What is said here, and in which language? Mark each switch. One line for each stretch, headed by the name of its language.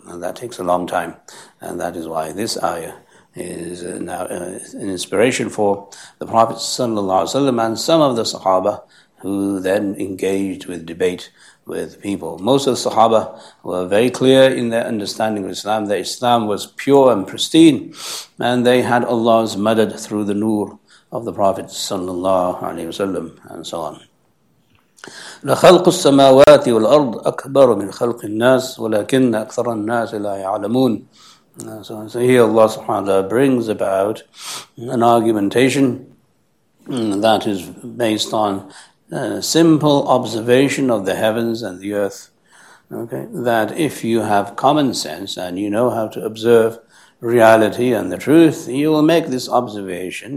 English: And that takes a long time. And that is why this ayah is now an inspiration for the Prophet ﷺ and some of the Sahaba who then engaged with debate with people. Most of the Sahaba were very clear in their understanding of Islam. Their Islam was pure and pristine, and they had Allah's madad through the nur of the Prophet sallallahu alaihi wasallam, and so on.
Arabic: لخلق السماوات والأرض أكبر من خلق الناس ولكن أكثر الناس لا يعلمون.
English: So here Allah subhanahu wa ta'ala brings about an argumentation that is based on a simple observation of the heavens and the earth. Okay, that if you have common sense and you know how to observe reality and the truth, you will make this observation.